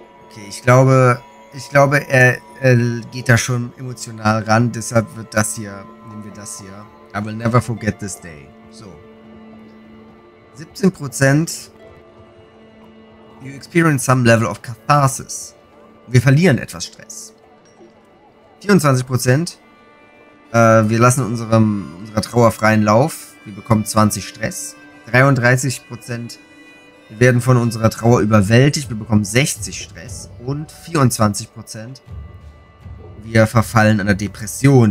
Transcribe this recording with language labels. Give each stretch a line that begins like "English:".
German: Okay, ich glaube, er geht da schon emotional ran, deshalb nehmen wir das hier.
English: I will never forget this day. So. 17%. You experience some level of catharsis.
German: Wir verlieren etwas Stress. 24%. Wir lassen unserer Trauer freien Lauf. Wir bekommen 20 Stress. 33%. Wir werden von unserer Trauer überwältigt. Wir bekommen 60 Stress. Und 24%. Wir verfallen einer Depression.